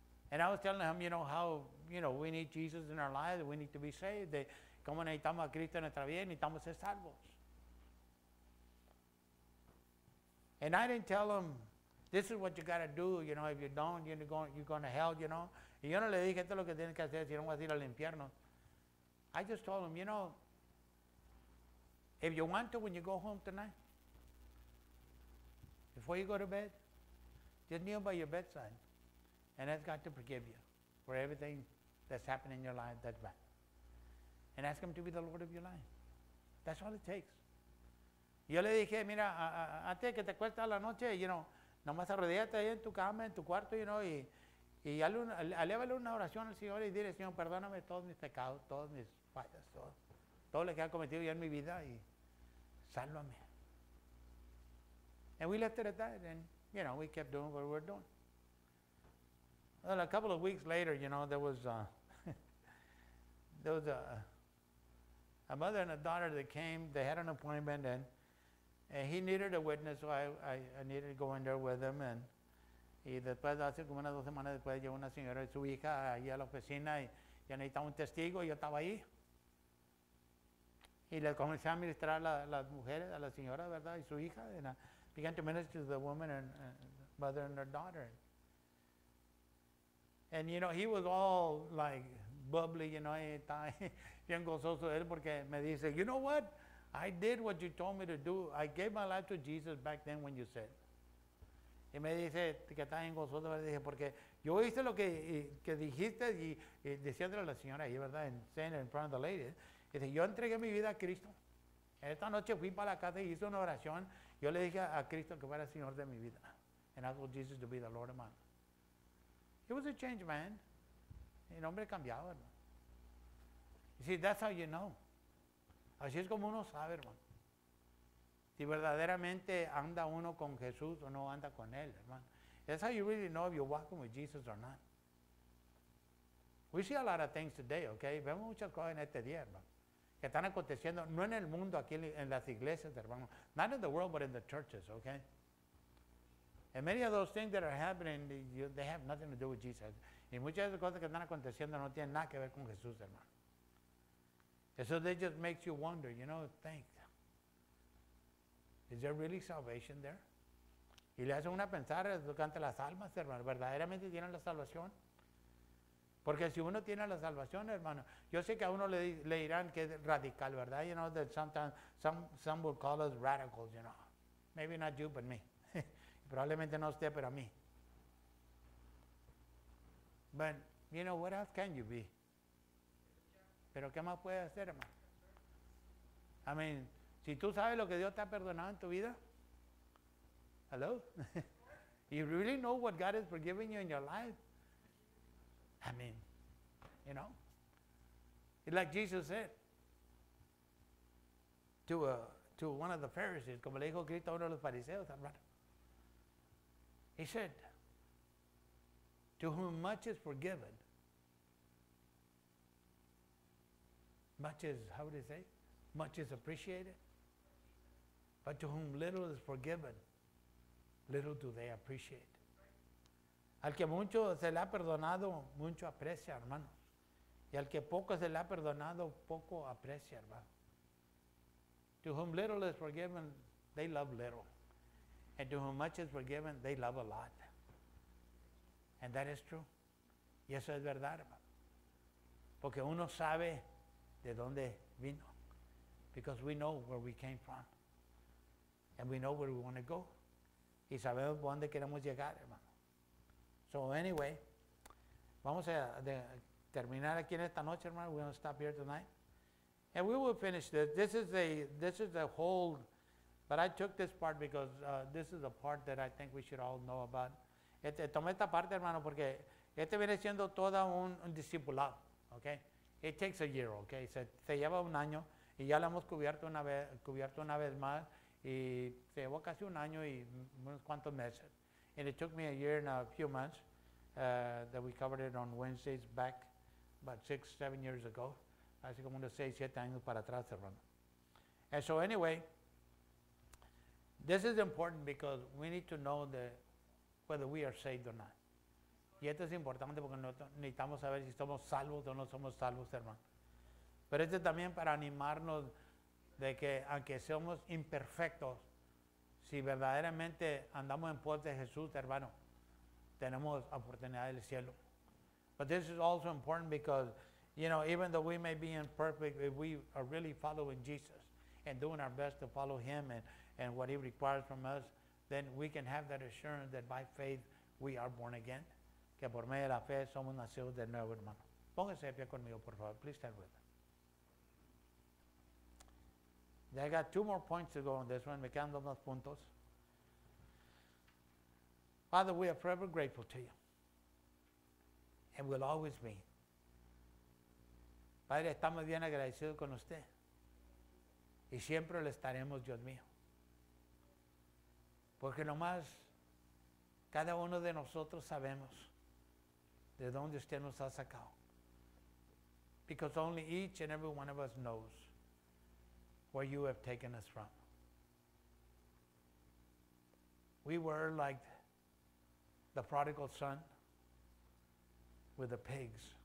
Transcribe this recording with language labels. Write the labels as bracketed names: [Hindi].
[English] And I was telling him, you know, how, you know, we need Jesus in our lives, we need to be saved. [Spanish] Como necesitamos a Cristo en nuestra vida, necesitamos ser salvos. [English] And I didn't tell him, this is what you got to do, you know, if you don't, you're going to hell, you know. [Spanish] Y yo no le dije, esto es lo que tienes que hacer, si no vas a ir al infierno. [English] I just told him, you know, if you want to, when you go home tonight, before you go to bed, just kneel by your bedside and ask God to forgive you for everything that's happened in your life that's bad. And ask him to be the Lord of your life. That's all it takes. [Spanish] Yo le dije, mira, antes que te cuesta la noche, you know, nomás arrodíllate ahí en tu cama, en tu cuarto, you know, y alévale una oración al Señor y dile, Señor, perdóname todos mis pecados, todos mis fallas, todo lo que ha cometido yo en mi vida y sálvame. [English] And we left it at that and, you know, we kept doing what we were doing. Well, a couple of weeks later, you know, there was a mother and a daughter that came. They had an appointment and he needed a witness, so I needed to go in there with him. [Spanish] Y después, hace como unas dos semanas después, llegó una señora y su hija allí a la oficina y ya necesitaba un testigo y yo estaba ahí. Y le comencé a ministrar a las mujeres, a la señora, ¿verdad? Y su hija. [English] And I began to minister to the woman and mother and her daughter. And, you know, he was all like bubbly, you know, [Spanish] bien gozoso él porque me dice, [English] you know what? I did what you told me to do. I gave my life to Jesus back then when you said. [Spanish] Y me dice que está en gozoso, le dije, porque yo hice lo que dijiste y diciéndole a la señora ahí, ¿verdad? [English] And saying it in front of the lady. [Spanish] Dice, yo entregué mi vida a Cristo. Esta noche fui para la casa y hice una oración. Yo le dije a Cristo que fuera el Señor de mi vida. [English] And I told Jesus to be the Lord of mine. He was a changed man. [Spanish] El hombre cambiado, ¿no? [English] You see, that's how you know. [Spanish] Así es como uno sabe, hermano. Si verdaderamente anda uno con Jesús o no anda con él, hermano. [English] That's how you really know if you're walking with Jesus or not. We see a lot of things today, okay? [Spanish] Vemos muchas cosas en este día, hermano, que están aconteciendo, no en el mundo, aquí en las iglesias, hermano. [English] Not in the world, but in the churches, okay? And many of those things that are happening, they have nothing to do with Jesus. [Spanish] Y muchas de las cosas que están aconteciendo no tienen nada que ver con Jesús, hermano. [English] And so that just makes you wonder, you know, think. Is there really salvation there? [Spanish] Y le hace una pensar ante las almas, hermano. ¿Verdaderamente tienen la salvación? Porque si uno tiene la salvación, hermano, yo sé que a uno le dirán que es radical, ¿verdad? [English] You know, that sometimes some will call us radicals, you know. Maybe not you, but me. [Spanish] Probablemente no usted, pero a mí. [English] But, you know, what else can you be? [Spanish] ¿Pero qué más puede hacer, hermano? I mean, si tú sabes lo que Dios te ha perdonado en tu vida. [English] Hello? You really know what God has forgiven you in your life? I mean, you know? It's like Jesus said to one of the Pharisees, [Spanish] como le dijo Cristo a uno de los fariseos, hermano. [English] He said, to whom much is forgiven, much is, how would he say? Much is appreciated. But to whom little is forgiven, little do they appreciate. [Spanish] Al que mucho se le ha perdonado, mucho aprecia, hermano. Y al que poco se le ha perdonado, poco aprecia, hermano. [English] To whom little is forgiven, they love little. And to whom much is forgiven, they love a lot. And that is true. [Spanish] Y eso es verdad, hermano. Porque uno sabe de dónde vino. [English] Because we know where we came from. And we know where we want to go. [Spanish] Y sabemos dónde queremos llegar, hermano. So anyway, vamos a terminar aquí en esta noche, hermano. [English] We're going to stop here tonight. And we will finish this. This is a whole... But I took this part because this is a part that I think we should all know about. [Spanish] Tomé esta parte, hermano, porque este viene siendo todo un discipulado, okay? [English] It takes a year, okay? [Spanish] Se lleva un año, y ya lo hemos cubierto una vez más, y se llevó casi un año y unos cuantos meses. [English] And it took me a year and a few months that we covered it on Wednesdays back about 6-7 years ago. [Spanish] Así como unos 6-7 años para atrás, hermano. And so anyway... [English] This is important because we need to know whether we are saved or not. [Spanish] Y esto es importante porque necesitamos saber si somos salvos o no somos salvos, hermano. Pero esto también para animarnos de que aunque somos imperfectos, si verdaderamente andamos en pos de Jesús, hermano, tenemos oportunidad del cielo. [English] But this is also important because, you know, even though we may be imperfect, if we are really following Jesus and doing our best to follow him and what he requires from us, then we can have that assurance that by faith we are born again. [Spanish] Que por medio de la fe somos nacidos de nuevo, hermano. Póngase de pie conmigo, por favor. [English] Please stand with me. I got two more points to go on this one. [Spanish] Me quedan dos más puntos. [English] Father, we are forever grateful to you. And will always be. [Spanish] Padre, estamos bien agradecidos con usted. Y siempre lo estaremos, Dios mío. Porque nomás cada uno de nosotros sabemos de dónde usted nos ha sacado. [English] Because only each and every one of us knows where you have taken us from. We were like the prodigal son with the pigs.